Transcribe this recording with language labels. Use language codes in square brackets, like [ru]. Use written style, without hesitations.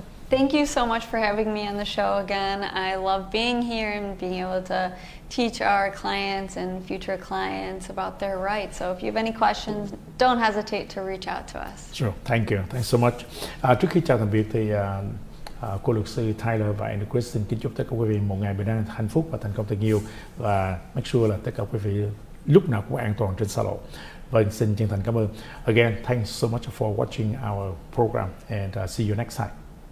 [en] Thank you so much for having me on the show again. I love being here and being able to teach our clients and future clients about their rights. So if you have any questions, don't hesitate to reach out to us. Sure. Thank you. Thanks so much. [vi] Trước khi chào tạm biệt thì cô luật sư Tyler và anh Kristen kính chúc tất cả quý vị một ngày bình an, hạnh phúc và thành công thật nhiều. Và [en] make sure [vi] là tất cả quý vị lúc nào cũng an toàn trên xa lộ. Và xin chân thành cảm ơn. [en] Again, thanks so much for watching our program and see you next time.